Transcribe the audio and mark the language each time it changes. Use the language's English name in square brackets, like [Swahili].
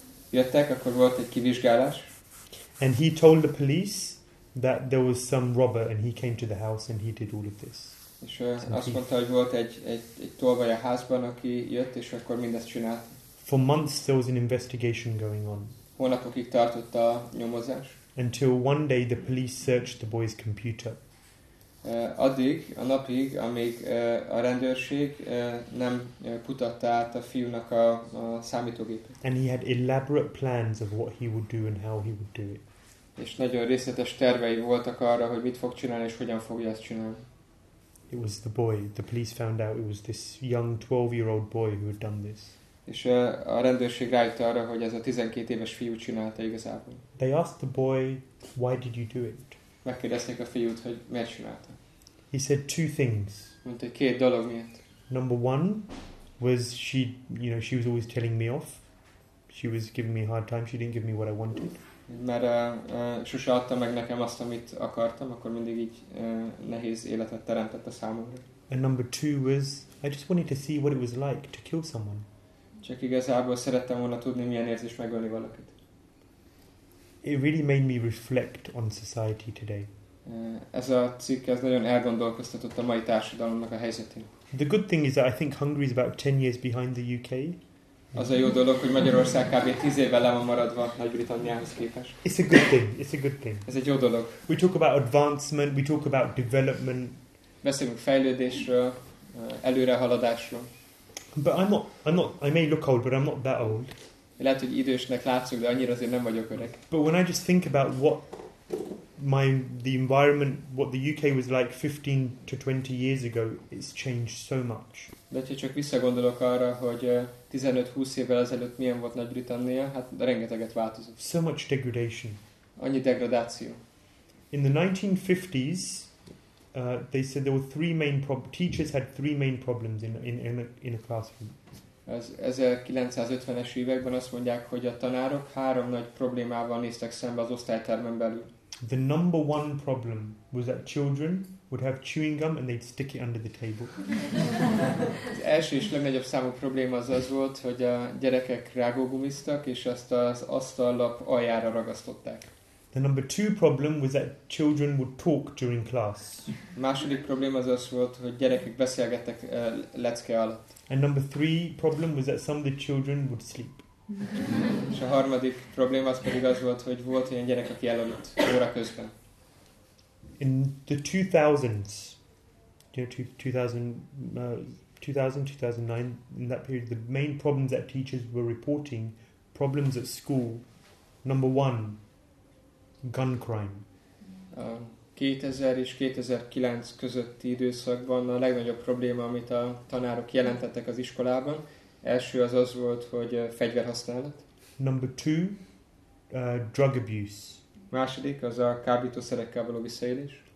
[Hungarian] Jöttek, akkor volt egy kivizsgálás. [English] And he told the police that there was some robber and he came to the house and he did all of this. [Hungarian] És azt mondta, hogy volt egy tolvaj a házban, aki jött, és akkor mindezt csinált. [English] For months there was an investigation going on. [Hungarian] Hónapokig tartott a nyomozás. [English] Until one day the police searched the boy's computer. [Hungarian] Addig, a napig, amíg a rendőrség nem kutatta át a fiúnak a számítógépét. [English] And he had elaborate plans of what he would do and how he would do it. [Hungarian] És nagyon részletes tervei voltak arra, hogy mit fog csinálni és hogyan fogja ezt csinálni. [English] It was the boy. The police found out it was this young 12-year-old boy who had done this. [Hungarian] És a rendőrség rájött arra, hogy ez a 12 éves fiú csinálta igazából. [English] They asked the boy, why did you do it? [Hungarian] Megkérdezték a fiút, hogy miért csinálta. [English] He said two things. [Hungarian] Mondta, hogy két dolog miatt. [English] Number one was she, you know, she was always telling me off. She was giving me a hard time. She didn't give me what I wanted. [Hungarian] Mert sose adta meg nekem azt, amit akartam, akkor mindig így nehéz életet teremtett a számomra. [English] And number two was, I just wanted to see what it was like to kill someone. [Hungarian] Csak igazából szerettem volna tudni, milyen érzés megölni valakit. [English] It really made me reflect on society today. [Hungarian] Ez a cikk, ez nagyon elgondolkoztatott a mai társadalomnak a helyzetén. [English] The good thing is that I think Hungary is about 10 years behind the UK. [Hungarian] Az a jó dolog, hogy Magyarország kb. 10 évvel le van maradva Nagy-Britanniához képest. [English] It's a good thing, it's a good thing. [Hungarian] Ez egy jó dolog. [English] We talk about advancement, we talk about development. [Hungarian] Beszélünk fejlődésről, előrehaladásról. [English] But I may look old, but I'm not that old. [Hungarian] Lehet, hogy idősnek látszok, de annyira azért nem vagyok öreg. [English] But when I just think about what the environment, what the UK was like 15 to 20 years ago, it's changed so much. [Hungarian] De ha csak visszagondolok arra, hogy 15-20 évvel ezelőtt milyen volt Nagy-Britannia, hát rengeteget változott. [English] So much degradation. [Hungarian] Annyi degradáció. [English] In the 1950s, they said there were three main problems. Teachers had three main problems in a classroom. [Hungarian] Az 1950-es években azt mondják, hogy a tanárok három nagy problémával néztek szembe az osztálytermen belül. [English] The number one problem was that children would have chewing gum and they'd stick it under the table. [Hungarian] Az első és legnagyobb számú probléma az volt, hogy a gyerekek rágógumiztak, és azt az asztallap aljára ragasztották. [English] The number two problem was that children would talk during class. [Hungarian] Második probléma az volt, hogy gyerekek beszélgettek lecke alatt. [English] And number three problem was that some of the children would sleep. [Hungarian] És a harmadik probléma az pedig az volt, hogy volt olyan gyerek, aki elaludt óra közben. [English] In the 2000s, you know, 2009, in that period, the main problems that teachers were reporting, problems at school, number one, gun crime. [Hungarian] 2000 és 2009 közötti időszakban a legnagyobb probléma, amit a tanárok jelentettek az iskolában, első az volt, hogy fegyverhasználat. [English] Number two, drug abuse. [Hungarian] Második az a kábítószerekkel való visszaélés.